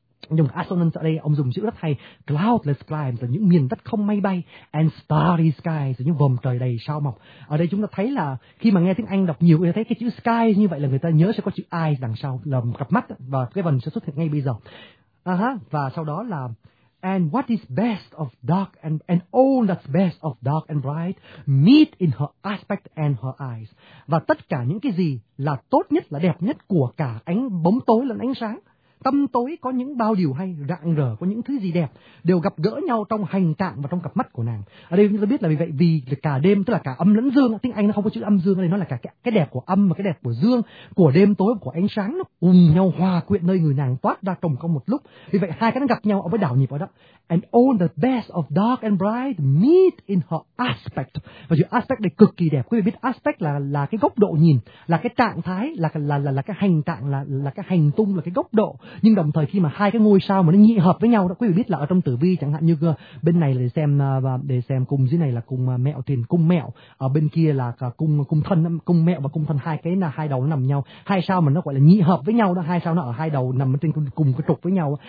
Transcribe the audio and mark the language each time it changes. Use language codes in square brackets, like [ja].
[vi] Nhưng assonance ở đây ông dùng chữ rất hay, [en] cloudless climes [vi] là những miền đất không mây bay, [en] and starry skies [vi] là những vòm trời đầy sao mọc. Ở đây chúng ta thấy là khi mà nghe tiếng Anh đọc nhiều, người ta thấy cái chữ sky như vậy là người ta nhớ sẽ có chữ eyes đằng sau, là cặp mắt, và cái vần sẽ xuất hiện ngay bây giờ. Và sau đó là [en] and what is best of dark and all that's best of dark and bright meet in her aspect and her eyes. [vi] Và tất cả những cái gì là tốt nhất, là đẹp nhất của cả ánh bóng tối lẫn ánh sáng, tâm tối có những bao điều hay, rạng rỡ có những thứ gì đẹp, đều gặp gỡ nhau trong hành trạng và trong cặp mắt của nàng. Ở đây chúng ta biết là vì vậy, vì cả đêm, tức là cả âm lẫn dương, tiếng Anh nó không có chữ âm dương, nó là cả cái đẹp của âm và cái đẹp của dương, của đêm tối và của ánh sáng, nó cùng nhau hòa quyện nơi người nàng toát ra trồng công một lúc. Vì vậy hai cái nó gặp nhau, ông mới đảo nhịp vào đó. [en] And all the best of dark and bright meet in her aspect. [vi] Và chữ aspect này cực kỳ đẹp. Quý vị biết aspect là cái góc độ nhìn, là cái trạng thái, là cái hành trạng, là cái hành tung, là cái góc độ. Nhưng đồng thời khi mà hai cái ngôi sao mà nó nhị hợp với nhau đó, quý vị biết là ở trong tử vi chẳng hạn, như bên này là để xem cung, dưới này là cung mẹo thìn, cung mẹo, ở bên kia là cung thân, cung mẹo và cung thân, hai cái là hai đầu nó nằm nhau, hai sao mà nó gọi là nhị hợp với nhau đó, hai sao nó ở hai đầu nằm trên cùng cái trục với nhau đó.